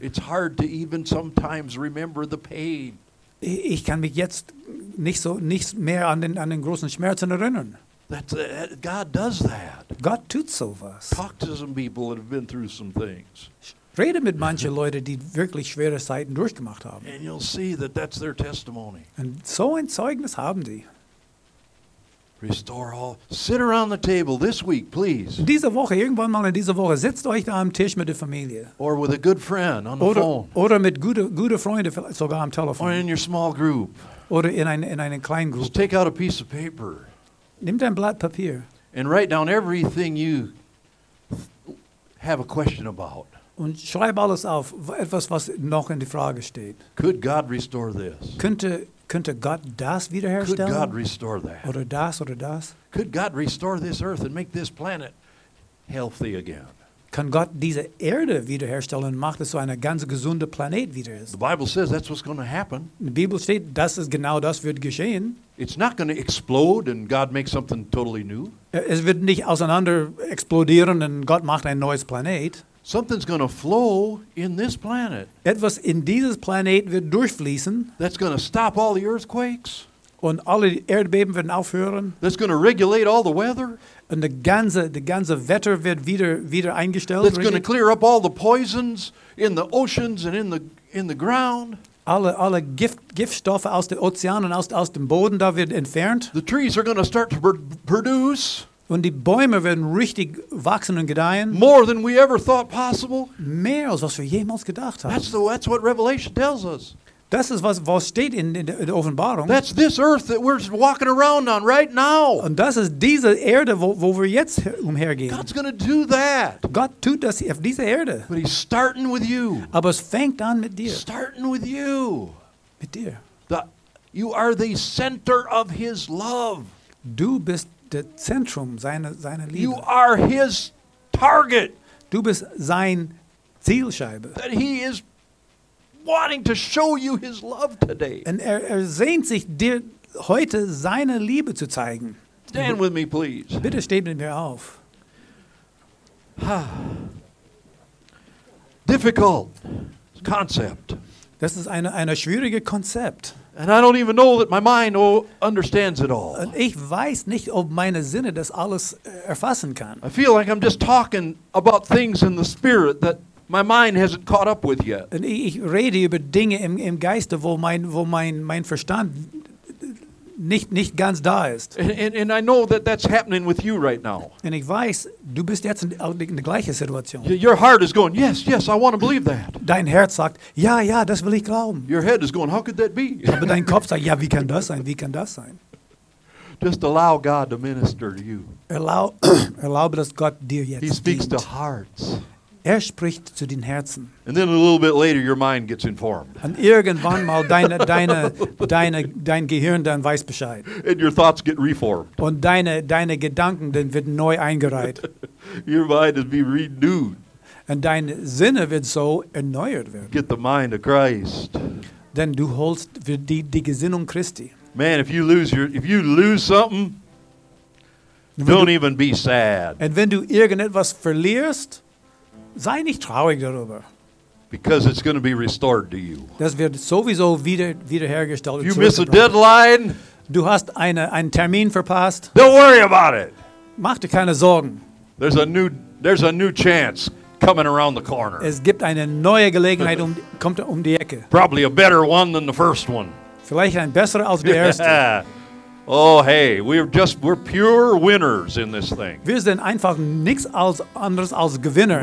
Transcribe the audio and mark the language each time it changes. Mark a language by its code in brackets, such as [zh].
[en] It's hard to even sometimes remember the pain. [de] Ich kann mich jetzt nicht so nicht mehr an den großen Schmerzen erinnern. [en] God does that. [de] Gott tut sowas. [en] Talk to some people that have been through some things. [de] Rede mit manche Leute, die wirklich schwere Zeiten durchgemacht haben. [en] And you'll see that that's their testimony. [de] Und so ein Zeugnis haben die. [en] Restore all. Sit around the table this week, please. [de] Diese Woche, irgendwann mal in dieser Woche, setzt euch da am Tisch mit der Familie. [en] Or with a good friend on [de] oder, [en] the phone. [de] Oder mit guten Freunden, vielleicht sogar am Telefon. [en] Or in your small group. [de] Oder in einer kleinen Gruppe. [en] Just take out a piece of paper. [de] Nimm dein Blatt Papier. [en] And write down everything you have a question about. [de] Und schreib alles auf, etwas, was noch in die Frage steht. [en] Could God restore this? [de] Könnte Gott das wiederherstellen? [en] Could God restore that? [de] Oder das, oder das? [en] Could God restore this earth and make this planet healthy again? [de] Kann Gott diese Erde wiederherstellen und macht es so eine ganz gesunde Planet wieder ist? [en] The Bible says that's what's going to happen. [de] Die Bibel steht, das ist genau das wird geschehen. [en] It's not going to explode and God makes something totally new. [de] Es wird nicht auseinander explodieren und Gott macht ein neues Planet. [en] Something's going to flow in this planet. [de] Etwas in dieses Planet wird durchfließen. [en] That's going to stop all the earthquakes. [de] Und alle Erdbeben werden aufhören. [en] That's going to regulate all the weather. [de] Und die ganze Wetter wird wieder eingestellt. [en] That's going to clear up all the poisons in the oceans and in the ground. [de] Alle Giftstoffe aus den Ozeanen und aus dem Boden, da wird entfernt. [en] The trees are going to start to produce. [de] Und die Bäume werden richtig wachsen und gedeihen. [en] More than we ever thought possible. [de] Mehr als was wir jemals gedacht haben. [en] That's what Revelation tells us. [de] Das ist was steht in der Offenbarung. [en] That's this earth that we're walking around on right now. [de] Und das ist diese Erde, wo wir jetzt umhergehen. [en] God's going to do that. [de] Gott tut das auf dieser Erde. [en] But he's starting with you. [de] Aber es fängt an mit dir. [en] Starting with you. [de] Mit dir. [en] You are the center of his love. [de] Du bist das Zentrum seiner Liebe. [en] You are his target. [de] Du bist sein Zielscheibe. [en] That he is wanting to show you his love today. [de] Und er sehnt sich dir heute seine Liebe zu zeigen. [en] Stand with me, please. [de] Bitte steht mit mir auf. [en] Difficult concept. [de] Das ist eine schwierige Konzept. [en] And I don't even know that my mind understands it all. [de] Ich weiß nicht, ob meine Sinne das alles erfassen kann. [en] I feel like I'm just talking about things in the spirit that my mind hasn't caught up with yet. [de] Und ich rede über Dinge im Geiste, wo mein Verstand nicht ganz da ist. [en] And I know that that's happening with you right now. [de] Und ich weiß, du bist jetzt in der gleichen Situation. [en] Your heart is going, yes, yes, I want to believe that. [de] Dein Herz sagt, ja, ja, das will ich glauben. [en] Your head is going, how could that be? [de] Aber dein Kopf sagt, ja, wie kann das sein? Wie kann das sein? [en] Just allow God to minister to you. [de] Erlaube, dass Gott dir jetzt dient. [en] He speaks to hearts. [de] Er spricht zu den Herzen. [en] And then a little bit later, your mind gets informed. [de] Und irgendwann mal dein Gehirn dann weiß Bescheid. [en] And your thoughts get reformed. [de] Und deine Gedanken dann werden neu eingereiht. [en] Your mind is being renewed. [de] Und deine Sinne wird so erneuert werden. [en] Get the mind of Christ. [de] Denn du holst die Gesinnung Christi. [en] Man, if you lose something, don't even be sad. [de] Und wenn du irgendetwas verlierst, sei nicht traurig darüber. [en] Because it's going to be restored to you. [de] Das wird sowieso wiederhergestellt. [en] You miss a deadline. [de] Du hast einen Termin verpasst. [en] Don't worry about it. [de] Mach dir keine Sorgen. [en] There's a new chance coming around the corner. [de] Es gibt eine neue Gelegenheit kommt die Ecke. [en] Probably a better one than the first one. [de] Vielleicht ein besserer als der erste. [en] Oh, hey, we're pure winners in this thing. [de] Wir sind einfach nichts als anderes als Gewinner.